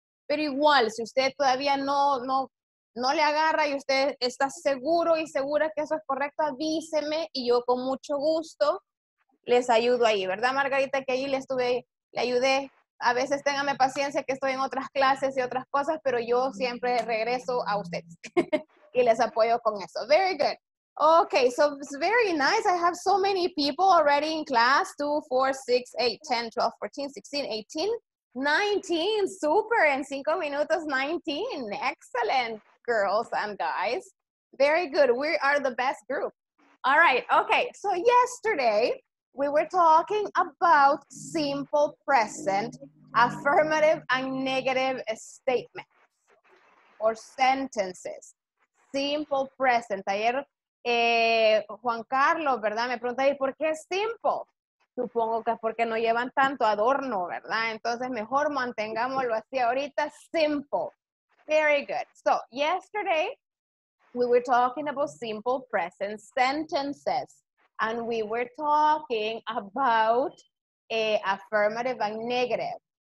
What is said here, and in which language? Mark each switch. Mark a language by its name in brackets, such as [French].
[Spanish] Pero igual, si usted todavía no le agarra y usted está seguro y segura que eso es correcto, avíseme y yo con mucho gusto les ayudo ahí, ¿verdad, Margarita? Que ahí le ayudé. A veces téngame paciencia que estoy en otras clases y otras cosas, pero yo siempre regreso a ustedes y les apoyo con eso. [English] Very good. Okay, so it's very nice. I have so many people already in class. 2, 4, 6, 8, 10, 12, 14, 16, 18, 19. Super. [Spanish] En 5 minutos, [English] 19. Excellent, girls and guys. Very good. We are the best group. All right. Okay, so yesterday we were talking about simple present, affirmative and negative statements or sentences. Simple present. [Spanish] Ayer Juan Carlos, ¿verdad? Me pregunta, ¿y por qué es simple? Supongo que es porque no llevan tanto adorno, ¿verdad? Entonces mejor mantengámoslo así ahorita, simple. [English] Very good. So, yesterday we were talking about simple present sentences and we were talking about affirmative and negative.